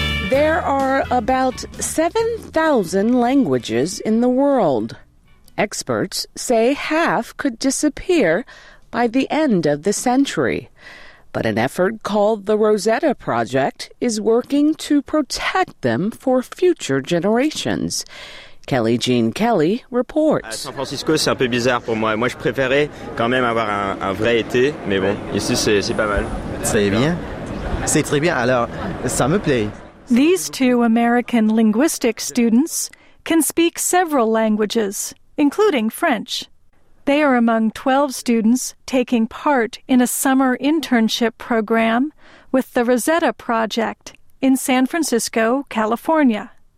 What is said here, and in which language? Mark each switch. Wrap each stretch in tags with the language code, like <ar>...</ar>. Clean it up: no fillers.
<en>There are about 7,000 languages in the world. Experts say half could disappear by the end of the century. But an effort called the Rosetta Project is working to protect them for future generations. Kelly Jean Kelly reports.</en> <fr>San Francisco, c'est un peu bizarre pour moi. Moi, je préférais quand même avoir un vrai été, mais bon, ici, c'est pas mal. C'est bien. C'est très bien. Alors, ça me plaît.</fr> <en>These two American linguistics students can speak several languages, including French. They are among 12 students taking part in a summer internship program with the Rosetta Project in San Francisco, California.</en>